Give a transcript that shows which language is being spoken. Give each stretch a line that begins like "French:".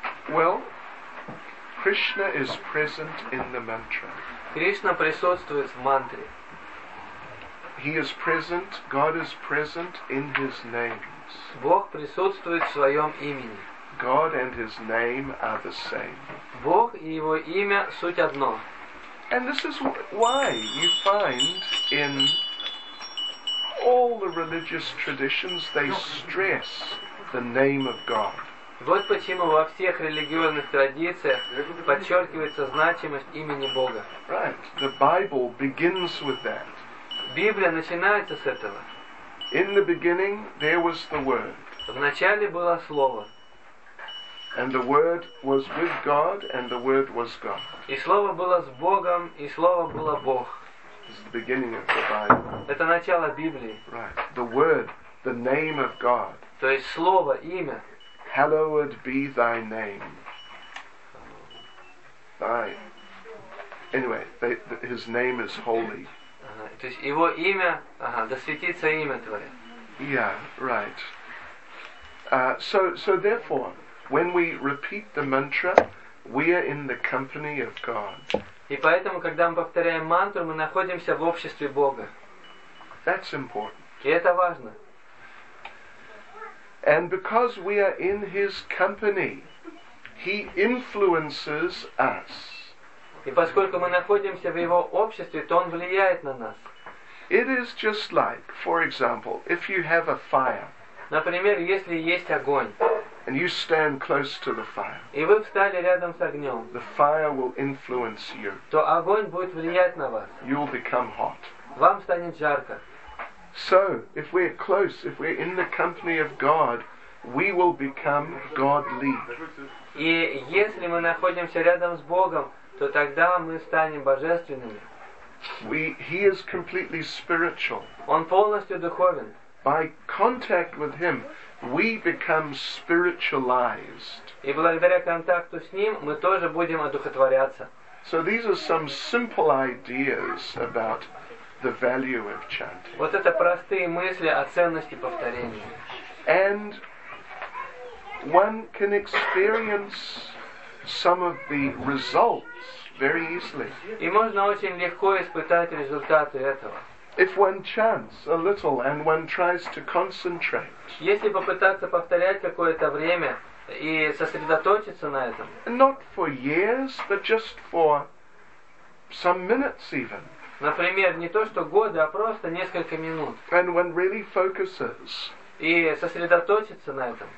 English: Well, Krishna is present in the mantra.
Russian: Кришна присутствует в мантре.
English: He is present, God is present in his names.
Russian: Бог присутствует в своем имени.
English: God and his name are the same.
Russian: Бог и его имя суть одно.
English: And this is why you find in all the religious traditions they stress the name of God.
Russian: Вот почему во всех религиозных традициях подчеркивается значимость имени Бога.
English: Right. The Bible begins with that.
Russian: Библия начинается с этого.
English: In the beginning there was the Word.
Russian: Вначале было слово.
English: And the Word was with God, and the Word was God.
Russian: И слово было с Богом, и слово было Бог.
English: This is the beginning of the Bible.
Russian: Это начало Библии.
English: Right. The Word, the name of God.
Russian: То есть слово, имя.
English: Hallowed be thy name. Thy. Anyway, his name is holy.
Russian: То есть его имя, да святится имя твое.
English: Yeah, right. So therefore, when we repeat the mantra, we are in the company of God.
Russian: И поэтому, когда мы повторяем мантру, мы находимся в обществе Бога.
English: That's important.
Russian: И это важно.
English: And because we are in His company, He influences us.
Russian: И поскольку мы находимся в Его обществе, то Он влияет на нас.
English: It is just like, for example, if you have a fire.
Russian: Например, если есть огонь.
English: And you stand close to the fire.
Russian: И вы встали рядом с огнем.
English: The fire will influence you.
Russian: То огонь будет влиять на вас.
English: You will become hot.
Russian: Вам станет жарко.
English: So, if we're close, if we're in the company of God, we will become godly.
Russian: И если мы находимся рядом с Богом, то тогда мы станем божественными.
English: He is completely spiritual.
Russian: Он полностью духовен.
English: By contact with him, we become spiritualized.
Russian: И благодаря контакту с ним мы тоже будем одухотворяться.
English: So these are some simple ideas about the value of chanting.
Russian: Вот это простые мысли о ценности повторения.
English: And one can experience some of the results very easily.
Russian: И можно очень легко испытать результаты этого.
English: If one chants a little and one tries to concentrate.
Russian: Если попытаться повторять какое-то время и сосредоточиться на этом.
English: Not for years, but just for some minutes even.
Russian: Например, не то что годы, а просто несколько минут.
English: And one really focuses.
Russian: И сосредоточиться на этом.